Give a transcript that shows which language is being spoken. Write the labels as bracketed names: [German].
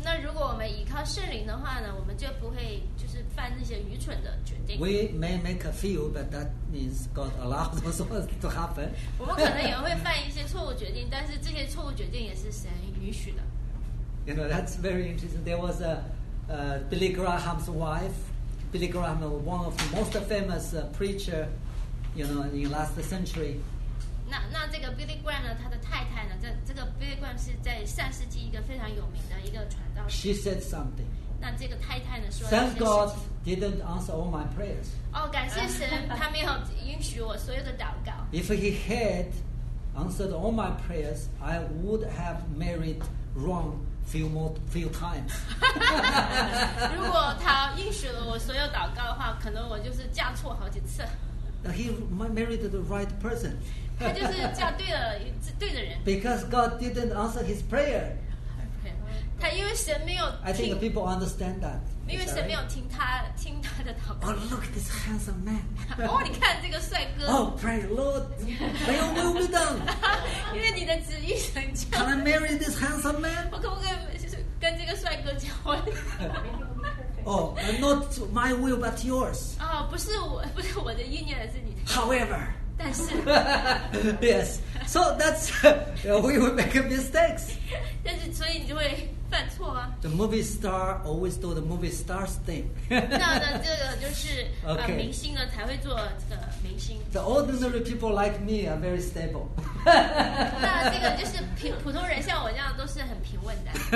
[Chinese] 那如果我们依靠圣灵的话呢，我们就不会就是犯那些愚蠢的决定。 [English] We may make a few, but that means God allows us to happen. [Chinese] 我们可能也会犯一些错误决定，但是这些错误决定也是神允许的。 [English] You know, that's very interesting. There was Billy Graham's wife. Billy Graham was one of the most famous preacher, you know, in the last century. [Chinese] 那这个 Billy Graham 呢，他的太太呢，这个 Billy Graham 是在上世纪一个非常有名的一个传道。 [English] She said something. [Chinese] 那这个太太呢说 [English] ，Thank God didn't answer all my prayers. [Chinese] 哦，感谢神，他没有允许我所有的祷告。 [English] If he had answered all my prayers, I would have married wrong few times. [Chinese] 如果他允许了我所有祷告的话，可能我就是嫁错好几次。 [English] He married the right person. [Chinese] 他就是嫁对了对的人。 [English] Because God didn't answer his prayer. [Chinese] 他因为神没有听。 [English] I think people understand that. [Chinese] 因为神没有听他的祷告。 [English] Oh, look at this handsome man. [Chinese] 哦，你看这个帅哥。 [English] Oh, pray, Lord, may your will be done. [Chinese] 因为你的旨意成就。 [English] Can I marry this handsome man? [Chinese] 我可不可以跟这个帅哥结婚？ [English] Oh, not my will, but yours. [Chinese] Oh, 不是我的意念，是你的。 [English] However, [Chinese] 但是 [English] yes. So that's we will make mistakes. [Chinese] 但是所以你就会犯错啊。 [English] The movie star always do the movie star's thing. [Chinese] 那这个就是啊、 [English] okay. [Chinese] 明星呢才会做这个明星。 [English] The ordinary people like me are very stable. [Chinese] 那这个就是普通人像我这样都是很平稳的。